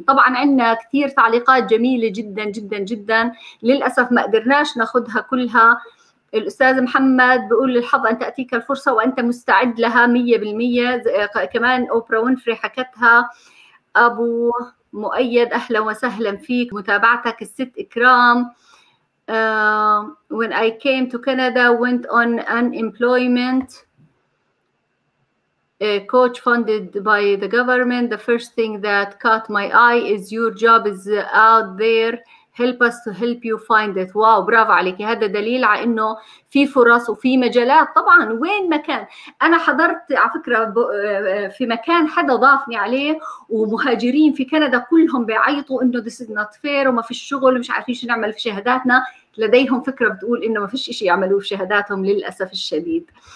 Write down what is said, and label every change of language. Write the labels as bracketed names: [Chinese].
[Arabic] طبعا عندنا كثير تعليقات جميلة جدا جدا جدا، للأسف ما قدرناش ناخدها كلها. الأستاذ محمد بيقول للحظ أن تأتيك الفرصة وأنت مستعد لها 100%. كمان أوبرا وينفري حكتها. أبو مؤيد أهلا وسهلا فيك، متابعتك الست إكرام. [English] When I came to Canada went on unemployment coach funded by the government. The first thing that caught my eye is your job is out there. Help us to help you find it. [Arabic] واو برافو عليك. هذا دليل على أنه في فرص وفي مجالات طبعا وين مكان. أنا حضرت على فكرة في مكان حدا ضافني عليه ومهاجرين في كندا كلهم بيعيطوا أنه [English] this is not fair [Arabic] وما في الشغل ومش عارفين شو نعمل في شهاداتنا. لديهم فكرة بتقول أنه ما فيش إشي يعملوه في شهاداتهم للأسف الشديد.